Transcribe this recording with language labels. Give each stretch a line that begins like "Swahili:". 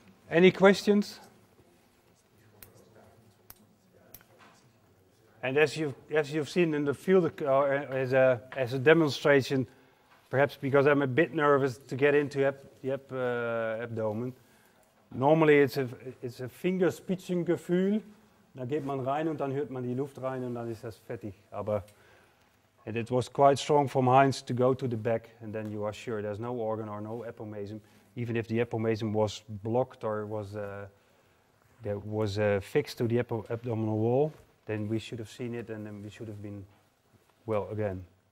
English: Any questions? And as you've seen in the field, as a demonstration, perhaps because I'm a bit nervous to get into abdomen. Normally it's a Fingerspitzengefühl.
German: Da geht man rein und dann hört man die Luft rein und dann ist das fertig.
English: And it was quite strong from Heinz to go to the back, and then you are sure there's no organ or no epomasum. Even if the epomasum was blocked or was fixed to the abdominal wall, then we should have seen it and then we should have been well again.